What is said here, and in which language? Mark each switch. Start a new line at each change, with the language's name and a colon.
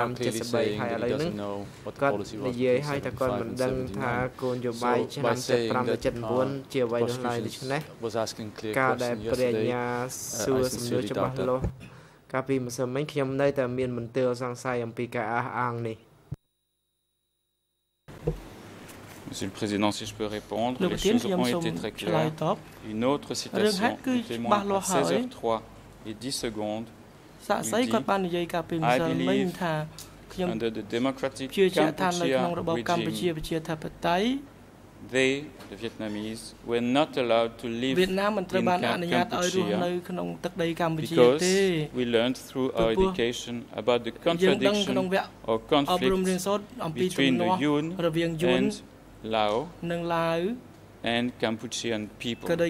English: And he's now clearly saying that he doesn't know what the policy was in 1973. So, by saying that prosecutions was asking clear questions yesterday, I sincerely doubt that.
French: Monsieur le Président, si je peux répondre, les choses ont été très claires. Une autre citation du témoin à 16h03 et 10 secondes, il dit,
English: I believe under the democratic Cambodia regime, they, the Vietnamese, were not allowed to live in Cambodia because we learned through our education about the contradiction or conflict between the Yun and Lao and Cambodian people.